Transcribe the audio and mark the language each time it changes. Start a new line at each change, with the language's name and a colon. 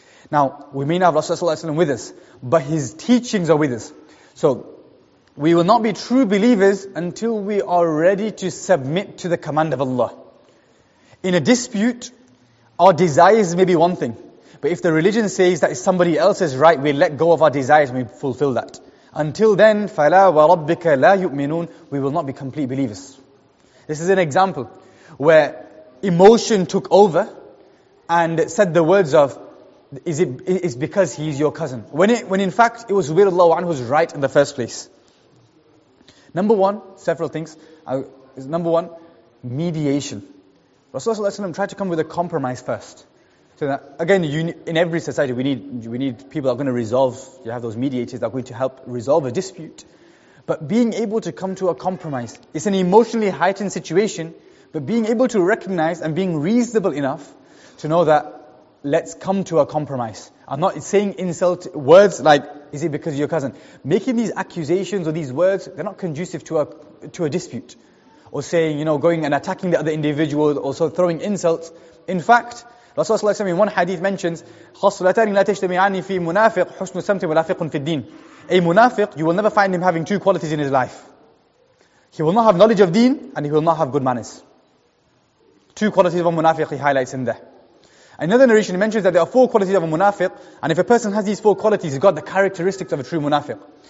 English: Now, we may not have Rasulullah with us, but his teachings are with us. So, we will not be true believers until we are ready to submit to the command of Allah. In a dispute, our desires may be one thing. But if the religion says that it's somebody else's right, we let go of our desires and we fulfill that. Until then,
Arabic: فَلَا وَرَبِّكَ لَا يُؤْمِنُونَ.
English: We will not be complete believers. This is an example where emotion took over and said the words of, it's because he's your cousin. When in fact, it was Zubair radiallahu anhu who's right in the first place. Number one, several things. Number one, mediation. Rasulullah ﷺ tried to come with a compromise first. So that, again, in every society, we need people that are going to resolve, you have those mediators that are going to help resolve a dispute. But being able to come to a compromise, it's an emotionally heightened situation, but being able to recognize and being reasonable enough to know that, let's come to a compromise. I'm not saying insult words like, is it because of your cousin? Making these accusations or these words, they're not conducive to a dispute. Or saying, you know, going and attacking the other individual, also throwing insults. In fact, Rasulullah ﷺ in one hadith mentions,
Arabic: خَصْلَتَانِ لَا تَشْتَمِعَانِ فِي مُنَافِقْ حُسْنُ سَمْتٍ وَلَافِقٌ فِي الدِّينِ.
English: A munafiq, you will never find him having two qualities in his life. He will not have knowledge of deen, and he will not have good manners. Two qualities of a munafiq he highlights in there. Another narration mentions that there are four qualities of a munafiq, and if a person has these four qualities, he's got the characteristics of a true munafiq.